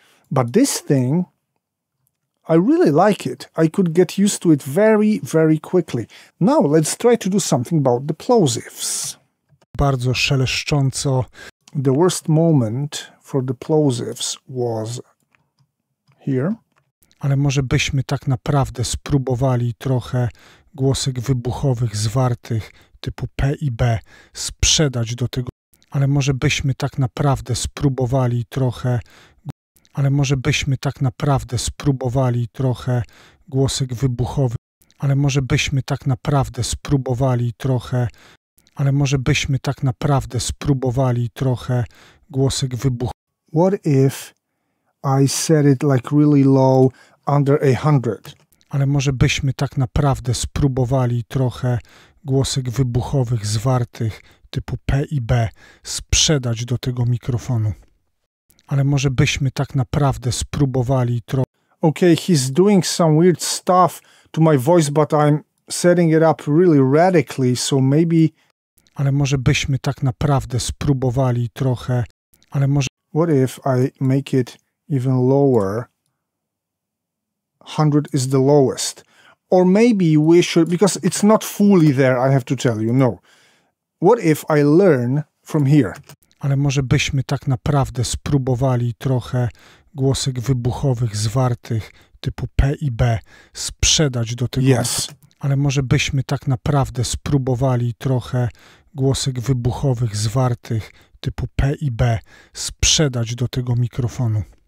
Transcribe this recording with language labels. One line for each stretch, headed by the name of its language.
English: But this thing, I really like it. I could get used to it very, very quickly. Now let's try to do something about the plosives.
Polish: Bardzo szeleszcząco.
English: The worst moment for the plosives was here.
Polish: Ale może byśmy tak naprawdę spróbowali trochę głosek wybuchowych, zwartych, typu P i B, sprzedać do tego. Ale może byśmy tak naprawdę spróbowali trochę. Ale może byśmy tak naprawdę spróbowali trochę głosek wybuchowy. Ale może byśmy tak naprawdę spróbowali trochę. Ale może byśmy tak naprawdę spróbowali trochę głosek wybuchowy.
English: What if I set it like really low under 100?
Polish: Ale może byśmy tak naprawdę spróbowali trochę głosek wybuchowych zwartych typu P i B sprzedać do tego mikrofonu. Ale może byśmy tak naprawdę spróbowali trochę.
English: Okay, he's doing some weird stuff to my voice, but I'm setting it up really radically, so maybe.
Polish: Ale może byśmy tak naprawdę spróbowali trochę. Ale może.
English: What if I make it even lower? 100 is the lowest. Or maybe we should, because it's not fully there, I have to tell you, no. What if I learn from here?
Polish: Ale może byśmy tak naprawdę spróbowali trochę głosek wybuchowych zwartych typu P i B sprzedać do tego.
English: Yes.
Polish: Ale może byśmy tak naprawdę spróbowali trochę głosek wybuchowych zwartych typu P i B sprzedać do tego mikrofonu.